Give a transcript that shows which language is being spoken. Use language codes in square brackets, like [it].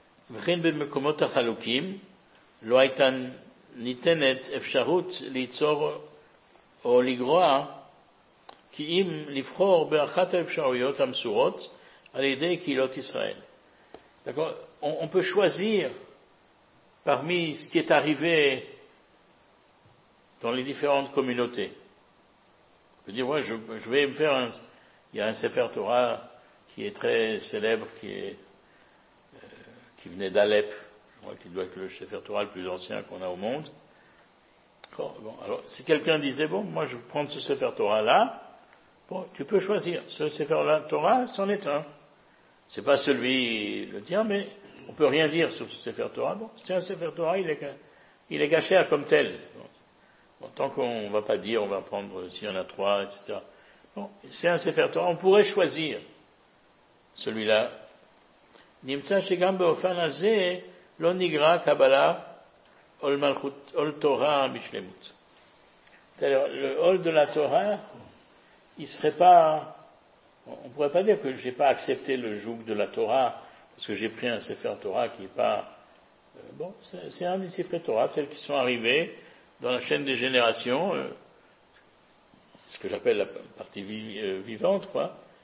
[he] וכן במקומות החלוקים לא הייתה ניתנת אפשרות ליצור או לגרוע כי אם לבחור באחת האפשרויות המסורות על ידי קהילות ישראל. [fr] D'accord, on peut choisir parmi ce qui est arrivé dans les différentes communautés. On peut dire, ouais, je vais me faire un... Il y a un Sefer Torah qui est très célèbre, qui venait d'Alep, je crois qu'il doit être le Sefer Torah le plus ancien qu'on a au monde. Bon, alors, si quelqu'un disait, bon, moi je vais prendre ce Sefer Torah-là, bon, tu peux choisir. Ce Sefer Torah, c'en est un. C'est pas celui le tien, mais on peut rien dire sur ce Sefer Torah. Bon, c'est un Sefer Torah, il est gâché à comme tel. Bon, tant qu'on va pas dire, on va prendre s'il y en a trois, etc. Bon, c'est un Sefer Torah, on pourrait choisir celui-là. [he] נמצא שגם באופן הזה לא נגרע קבלה עול מלכות, עול תורה בשלמות. עול דה לה תורה, [fr] il serait pas, on pourrait pas dire que j'ai pas accepté le joug de la Torah, parce que j'ai pris un sefer Torah qui est pas, bon, c'est un des sefer Torah, tels qu'ils sont arrivés dans la chaîne des générations, ce que j'appelle la partie vivante, quoi.